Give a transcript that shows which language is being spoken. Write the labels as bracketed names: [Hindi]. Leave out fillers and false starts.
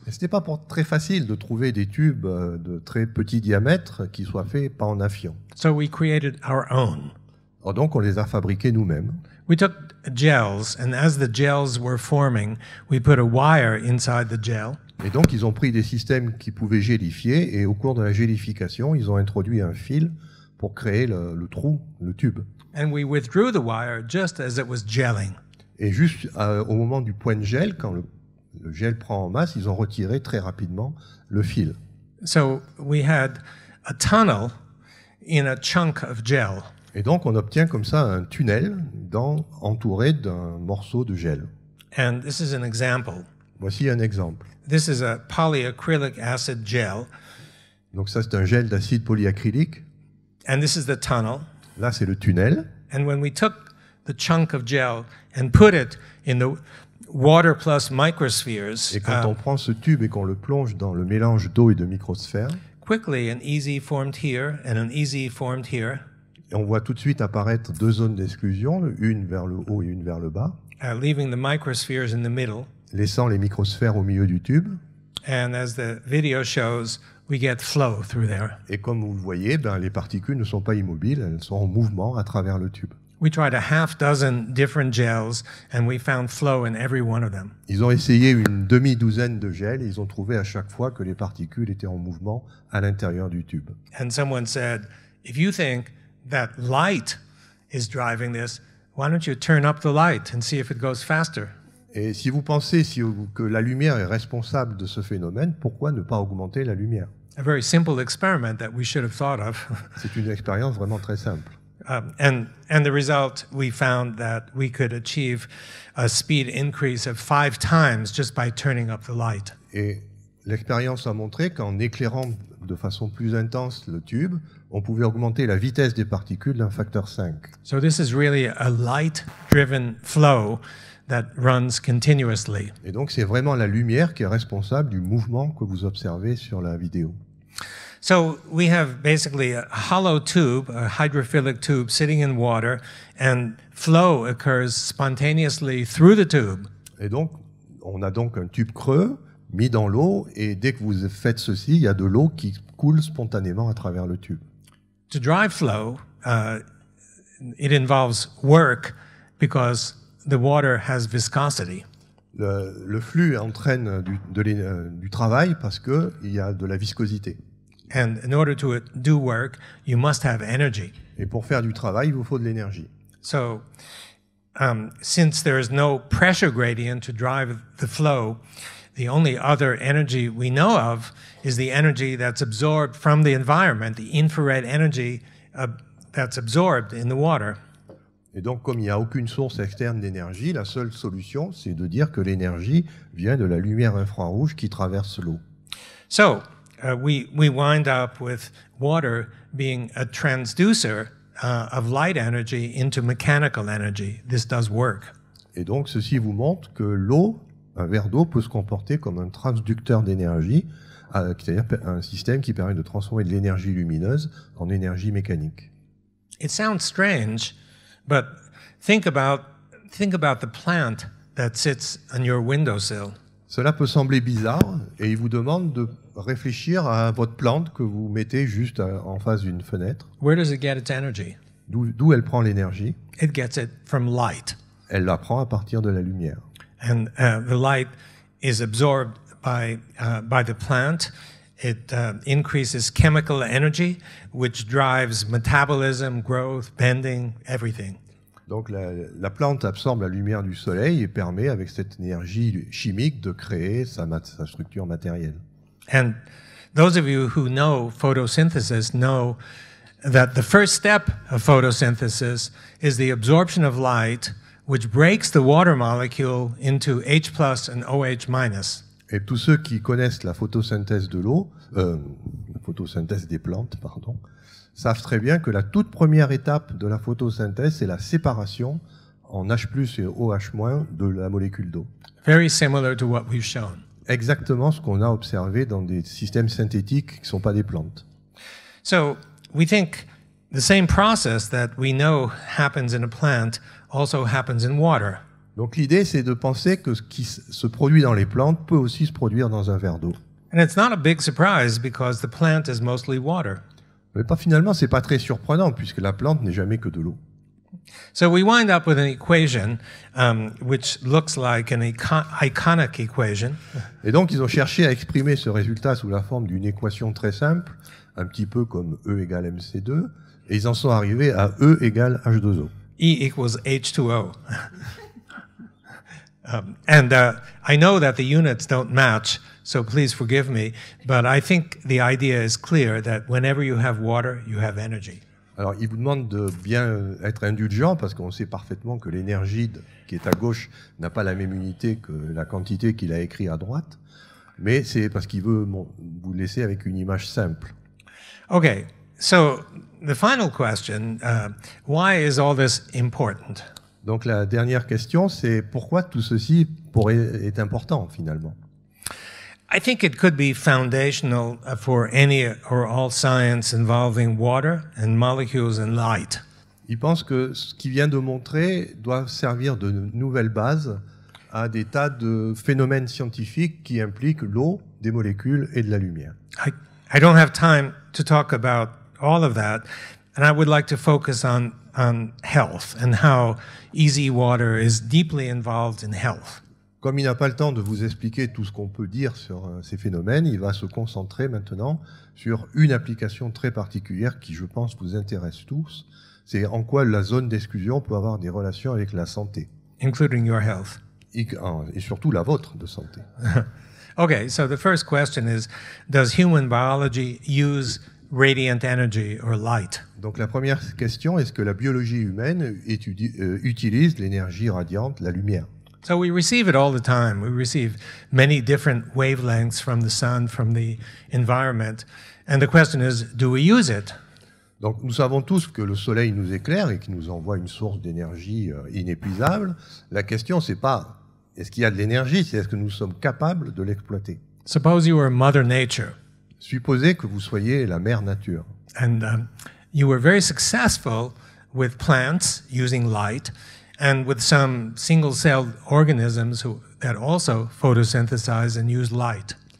[French] Et c'était pas très facile de trouver des tubes de très petit diamètre qui soient faits pas en nafion. [English] So we created our own. [French] Alors donc, on les a fabriqués nous-mêmes. [English] We took gels, and as the gels were forming, we put a wire inside the gel. [French] Et donc, ils ont pris des systèmes qui pouvaient gélifier, et au cours de la gélification, ils ont introduit un fil pour créer le trou, le tube. [English] And we withdrew the wire just as it was gelling. [French] Et juste au moment du point de gel, quand le gel prend en masse, ils ont retiré très rapidement le fil. [English] So we had a tunnel in a chunk of gel. [French] Et donc, on obtient comme ça un tunnel entouré d'un morceau de gel. [English] And this is an example. [French] Voici un exemple. [English] This is a polyacrylic acid gel. [French] Donc ça, c'est un gel d'acide polyacrylique. [English] And this is the tunnel. [French] Là, c'est le tunnel. [English] And when we took the chunk of gel and put it in the water plus microspheres, [French] et quand on prend ce tube et qu'on le plonge dans le mélange d'eau et de microsphères, [English] quickly an EZ formed here and an EZ formed here. [French] Et on voit tout de suite apparaître deux zones d'exclusion, une vers le haut et une vers le bas, [English] leaving the microspheres in the middle. [French] Laissant les microsphères au milieu du tube. [English] And as the video shows, we get flow through there. [French] Et comme vous le voyez, ben, les particules ne sont pas immobiles, elles sont en mouvement à travers le tube. [English] We tried a half dozen different gels and we found flow in every one of them. [French] Ils ont essayé une demi-douzaine de gels et ils ont trouvé à chaque fois que les particules étaient en mouvement à l'intérieur du tube. [English] And someone said, if you think that light is driving this, why don't you turn up the light and see if it goes faster? [French] Et si vous pensez que la lumière est responsable de ce phénomène, pourquoi ne pas augmenter la lumière? [English] A very simple experiment that we should have thought of. [French] C'est une expérience vraiment très simple. [English] And the result, we found that we could achieve a speed increase of 5 times just by turning up the light. [French] Et l'expérience a montré qu'en éclairant de façon plus intense le tube, on pouvait augmenter la vitesse des particules d'un facteur 5. [English] So this is really a light-driven flow that runs continuously. [French] Et donc c'est vraiment la lumière qui est responsable du mouvement que vous observez sur la vidéo. [English] So we have basically a hollow tube, a hydrophilic tube sitting in water, and flow occurs spontaneously through the tube. [French] Et donc on a donc un tube creux mis dans l'eau, et dès que vous faites ceci, il y a de l'eau qui coule spontanément à travers le tube. [English] To drive flow, it involves work because the water has viscosity. [French] Le flux entraîne du travail parce que il y a de la viscosité. [English] And in order to do work, you must have energy. [French] Et pour faire du travail, il vous faut de l'énergie. [English] So, since there is no pressure gradient to drive the flow, the only other energy we know of is the energy that's absorbed from the environment, the infrared energy that's absorbed in the water. [French] Et donc, comme il n'y a aucune source externe d'énergie, la seule solution, c'est de dire que l'énergie vient de la lumière infrarouge qui traverse l'eau. [English] So, we wind up with water being a transducer of light energy into mechanical energy. This does work. [French] Et donc, ceci vous montre que l'eau, un verre d'eau, peut se comporter comme un transducteur d'énergie, c'est-à-dire un système qui permet de transformer de l'énergie lumineuse en énergie mécanique. [English] It sounds strange. But think about the plant that sits on your windowsill. [French] Cela peut sembler bizarre, et il vous demande de réfléchir à votre plante que vous mettez juste en face d'une fenêtre. [English] Where does it get its energy? [French] D'où elle prend l'énergie? [English] It gets it from light. [French] Elle la prend à partir de la lumière. [English] And the light is absorbed by the plant. It increases chemical energy, which drives metabolism, growth, bending, everything. [French] Donc la plante absorbe la lumière du soleil et permet, avec cette énergie chimique, de créer sa structure matérielle. [English] And those of you who know photosynthesis know that the first step of photosynthesis is the absorption of light, which breaks the water molecule into H plus and OH minus. [French] Et tous ceux qui connaissent la photosynthèse de l'eau, la photosynthèse des plantes, pardon, savent très bien que la toute première étape de la photosynthèse, c'est la séparation en H+ et OH- de la molécule d'eau. [English] Very similar to what we've shown. [French] exactement ce qu'on a observé dans des systèmes synthétiques qui ne sont pas des plantes. [English] So we think the same process that we know happens in a plant also happens in water. [French] Donc l'idée, c'est de penser que ce qui se produit dans les plantes peut aussi se produire dans un verre d'eau. [English] And it's not a big surprise because the plant is mostly water. [French] Mais pas, finalement, c'est pas très surprenant puisque la plante n'est jamais que de l'eau. [English] So we wind up with an equation which looks like an iconic equation. [French] Et donc ils ont cherché à exprimer ce résultat sous la forme d'une équation très simple, un petit peu comme E égale mc2, et ils en sont arrivés à E égale H2O. [English] E equals H2O. and I know that the units don't match, so please forgive me, but I think the idea is clear that whenever you have water, you have energy. [French] Alors, il vous demande de bien être indulgent parce qu'on sait parfaitement que l'énergie qui est à gauche n'a pas la même unité que la quantité qu'il a écrit à droite, mais c'est parce qu'il veut vous laisser avec une image simple. [English] Okay, so the final question, why is all this important? [French] Donc la dernière question, c'est pourquoi tout ceci est important finalement. [English] I think it could be foundational for any or all science involving water and molecules and light. [French] Il pense que ce qu'il vient de montrer doit servir de nouvelle base à des tas de phénomènes scientifiques qui impliquent l'eau, des molécules et de la lumière. [English] I don't have time to talk about all of that, and I would like to focus on health and how easy water is deeply involved in health. [French] Comme il n'a pas le temps de vous expliquer tout ce qu'on peut dire sur ces phénomènes, il va se concentrer maintenant sur une application très particulière qui, je pense, vous intéresse tous. C'est en quoi la zone d'exclusion peut avoir des relations avec la santé. [English] Including your health. [French] Et surtout la vôtre de santé. [English] Okay, so the first question is, does human biology use radiant energy or light? [French] Donc la première question, est-ce que la biologie humaine utilise l'énergie radiante, la lumière? [English] So we receive it all the time. We receive many different wavelengths from the sun, from the environment. And the question is, do we use it? [French] Donc nous savons tous que le soleil nous éclaire et qu'il nous envoie une source d'énergie inépuisable. La question, c'est pas est-ce qu'il y a de l'énergie, c'est est-ce que nous sommes capables de l'exploiter. [English] Suppose you were Mother Nature. [French] Supposez que vous soyez la mère nature. [English] And you were very successful with plants using light. And with some single-celled organisms that also photosynthesize and use light.